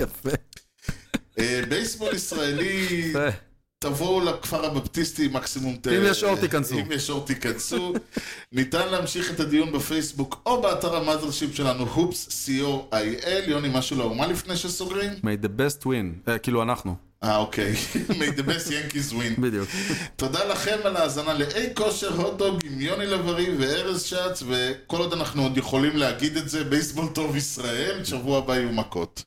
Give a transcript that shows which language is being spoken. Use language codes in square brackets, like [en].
[he] יפה. בייסבול ישראלי, תבואו לכפר הבפטיסטי מקסימום. אם יש אור תיכנסו. אם יש אור תיכנסו. ניתן להמשיך את הדיון בפייסבוק או באתר המאזרשיפ שלנו, הופס, COIL, יוני, משהו לא, מה לפני שסוגרים? [en] May the best win, [he] כאילו אנחנו. [en] אוקיי, may the best Yankees win. [he] בדיוק. תודה לכם על ההזנה ל-A Kosher Hot Dog עם יוני לברי וארז שץ, וכל עוד אנחנו עוד יכולים להגיד את זה, בייסבול טוב ישראל, שבוע הבא יהיו מכות.